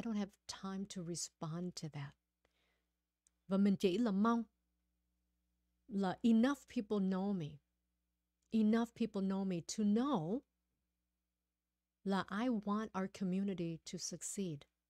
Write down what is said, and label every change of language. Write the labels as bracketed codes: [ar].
[en] I don't have time to respond to that. [vi] Và mình chỉ là mong là [en] enough people know me. Enough people know me to know là I want our community to succeed.